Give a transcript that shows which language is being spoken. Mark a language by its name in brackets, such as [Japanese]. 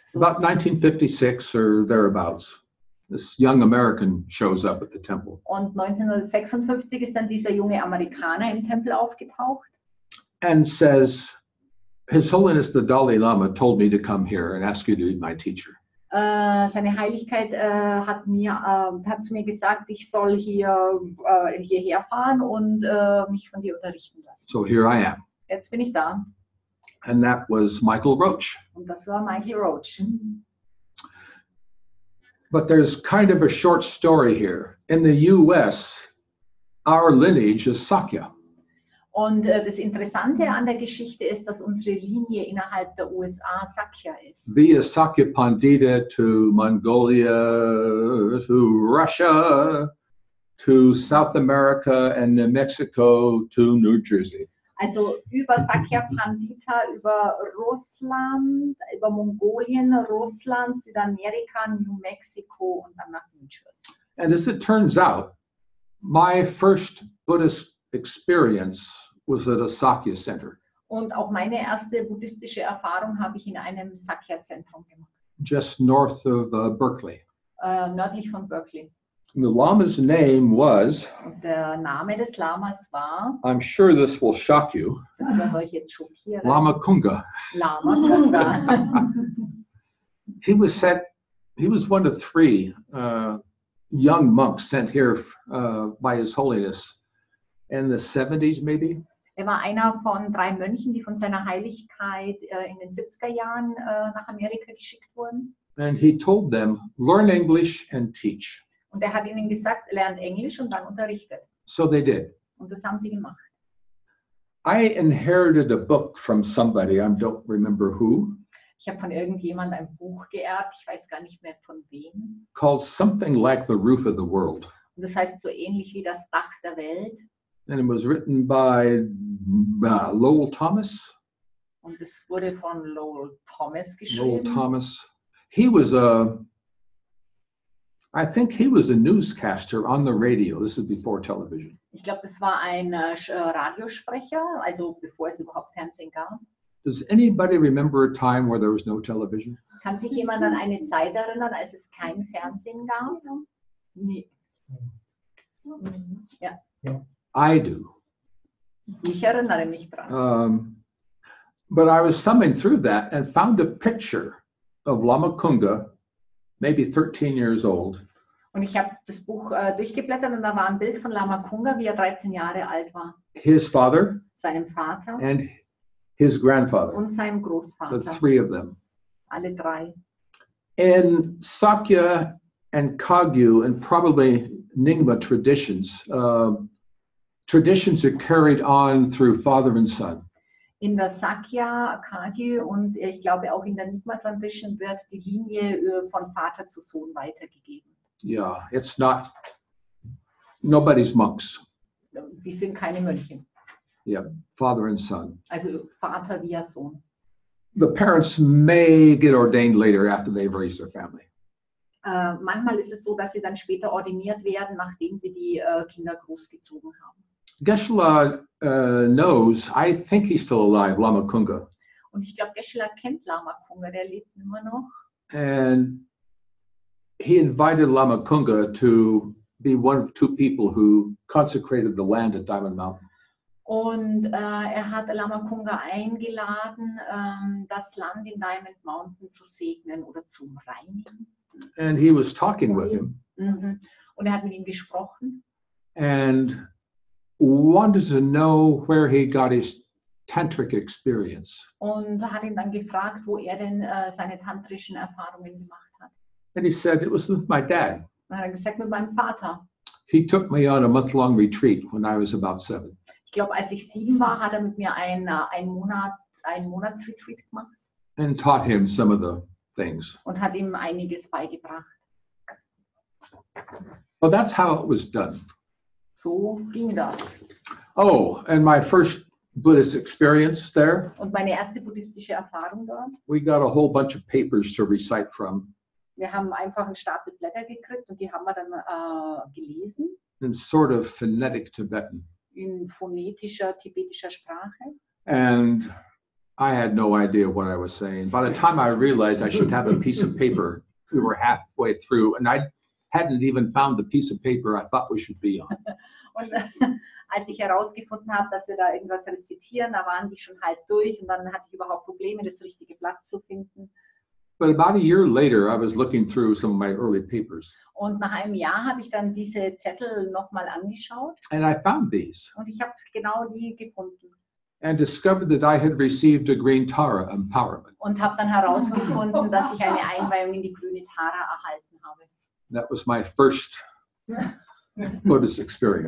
[English] So about 1956 or thereabouts. This young American shows up at the temple. [German] Und 1956 ist dann dieser junge Amerikaner im Tempel aufgetaucht. [English] And says, His Holiness the Dalai Lama told me to come here and ask you to be my teacher. [German] Seine Heiligkeit hat zu mir gesagt, ich soll hier hierher fahren und mich von dir unterrichten lassen. [English] So here I am. [German] Jetzt bin ich da. [English] And that was Michael Roach. [German] Und das war Michael Roach. [English] But there's kind of a short story here. In the U.S., our lineage is Sakya. [German] Und das Interessante an der Geschichte ist, dass unsere Linie innerhalb der USA Sakya ist. [English] Via Sakya Pandita to Mongolia, to Russia, to South America and New Mexico, to New Jersey. [German] Also über Sakya Pandita, über Russland, über Mongolien, Russland, Südamerika, New Mexico und dann nach New Jersey. [English] And as it turns out, my first Buddhist experience was at a Sakya center. [German] Und auch meine erste buddhistische Erfahrung habe ich in einem Sakya-Zentrum gemacht. [English] Just north of Berkeley. [German] Nördlich von Berkeley. [English] And the Lama's name was. [German] Und der Name des Lamas war. [English] I'm sure this will shock you. [German] Das wird euch jetzt schockieren. [English] Lama Kunga. [German] Lama Kunga. [English] he was sent, he was one of three young monks sent here by His Holiness in the 70s, maybe? [German] Er war einer von drei Mönchen, die von seiner Heiligkeit in den 70er Jahren nach Amerika geschickt wurden. [English] And he told them, learn English and teach. [German] Und er hat ihnen gesagt, lernt Englisch und dann unterrichtet. [English] So they did. [German] Und das haben sie gemacht. [English] I inherited a book from somebody, I don't remember who. [German] Ich habe von irgendjemandem ein Buch geerbt, ich weiß gar nicht mehr von wem. [English] Called Something Like the Roof of the World. [German] Und das heißt so ähnlich wie das Dach der Welt. [English] And it was written by Lowell Thomas. [German] Und es wurde von Lowell Thomas geschrieben. [English] Lowell Thomas. He was a, I think he was a newscaster on the radio. This is before television. [German] Ich glaube, das war ein Radiosprecher, also bevor es überhaupt Fernsehen gab. [English] Does anybody remember a time where there was no television? [German] Kann sich jemand an eine Zeit erinnern, als es kein Fernsehen gab? Nee. Ja. [English] I do. [German] Ich erinnere mich dran. [English] But I was thumbing through that and found a picture of Lama Kunga, maybe 13 years old. [German] Und ich habe das Buch durchgeblättert und da war ein Bild von Lama Kunga, wie er 13 Jahre alt war. [English] His father. [German] Seinem Vater. [English] And his grandfather. [German] Und seinem Großvater. [English] The three of them. [German] Alle drei. [English] In Sakya and Kagyu and probably Nyingma traditions, traditions are carried on through father and son. [German] In der Sakya, Kagyu und ich glaube auch in der Nyingma tradition wird die Linie von Vater zu Sohn weitergegeben. [English] Yeah, it's not, nobody's monks. [German] Die sind keine Mönche. [English] Yeah, father and son. [German] Also Vater via Sohn. [English] The parents may get ordained later after they've raised their family. [German] Manchmal ist es so, dass sie dann später ordiniert werden, nachdem sie die Kinder großgezogen haben. [English] Geshe-la knows, I think he's still alive, Lama Kunga. [German] Und ich glaube, Geshe-la kennt Lama Kunga, der lebt immer noch. [English] And he invited Lama Kunga to be one of two people who consecrated the land at Diamond Mountain. [German] Und er hat Lama Kunga eingeladen, das Land in Diamond Mountain zu segnen oder zu reinigen. [English] And he was talking with him. Mm-hmm. [German] Und er hat mit ihm gesprochen. [English] And wanted to know where he got his tantric experience. [German] Und hat ihn dann gefragt, wo er denn seine tantrischen Erfahrungen gemacht hat. [English] And he said, it was with my dad. [German] Und er hat gesagt, mit meinem Vater. [English] He took me on a month-long retreat when I was about 7. [German] Ich glaube, als ich 7 war, hat er mit mir ein Monatsretreat gemacht. [English] And taught him some of the things. [German] Und hat ihm einiges beigebracht. [English] Well, that's how it was done. [German] So ging das. [English] Oh, and my first Buddhist experience there. [German] Und meine erste buddhistische Erfahrung da. [English] We got a whole bunch of papers to recite from. [German] Wir haben einfach einen Stapel Blätter gekriegt und die haben wir dann gelesen. [English] In sort of phonetic Tibetan. [German] In phonetischer tibetischer Sprache. [English] And I had no idea what I was saying. By the time I realized I should have a piece of paper, we were halfway through, and I hadn't even found the piece of paper I thought we should be on. [German] Und als ich herausgefunden habe, dass wir da irgendwas rezitieren, da waren die schon halb durch, und dann hatte ich überhaupt Probleme, das richtige Blatt zu finden. [English] But about a year later, I was looking through some of my early papers. [German] Und nach einem Jahr habe ich dann diese Zettel nochmal angeschaut. [English] And I found these. [German] Und ich habe genau die gefunden. [English] And discovered that I had received a green Tara empowerment. [German] Und habe dann herausgefunden, dass ich eine Einweihung in die grüne Tara erhalten habe. [English] That was my first Buddhist experience.